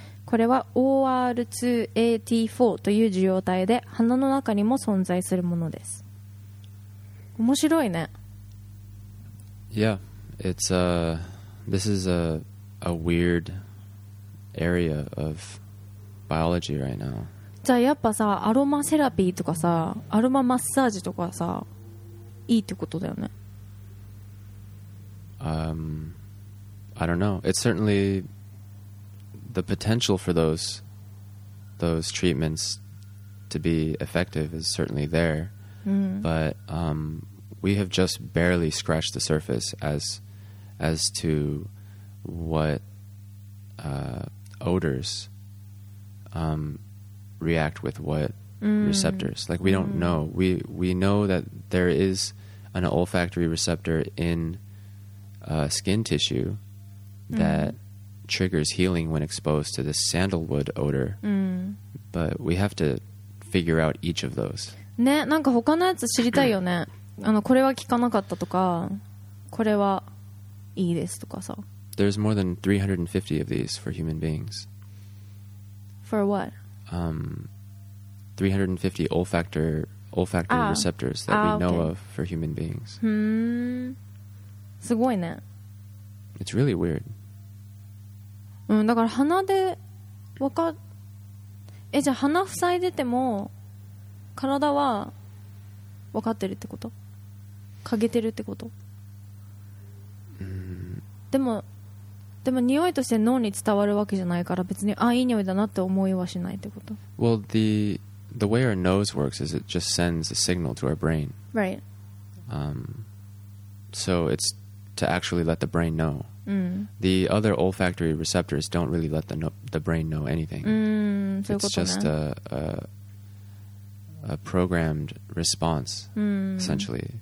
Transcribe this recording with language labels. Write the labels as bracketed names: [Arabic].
[Japanese] これは OR2AT4 という受容体で、鼻の中にも存在するものです。面白いね。 [English] Yeah, it's this is a weird area of biology right now. [Japanese] じゃあやっぱさ、アロマセラピーとかさ、アロママッサージとかさ、いいってことだよね。 [English] I don't know. It's certainly the potential for those treatments to be effective is certainly there. But we have just barely scratched the surface as to what odors react with what receptors. Like, we don't know. We know that there is an olfactory receptor in skin tissue that triggers healing when exposed to this sandalwood odor. But we have to figure out each of those. [Japanese] ね、なんか他のやつ知りたいよね。あの、これは効かなかったとか、これはいいですとかさ。 [English] There's more than 350 of these for human beings. For what? 350 olfactory receptors that we know of for human beings. [Japanese] すごいね。 [English] It's really weird. [Japanese] うん、だから鼻でわか、え、じゃあ鼻塞いでても体はわかってるってこと？嗅げてるってこと？でも匂いとして脳に伝わるわけじゃないから別にあいい匂いだなって思いはしないってこと？ [English] Well, the way our nose works is it just sends a signal to our brain. Right. So it's to actually let the brain know. The other olfactory receptors don't really let the brain know anything. [Japanese] そういうことね。 [English] It's just a programmed response, essentially.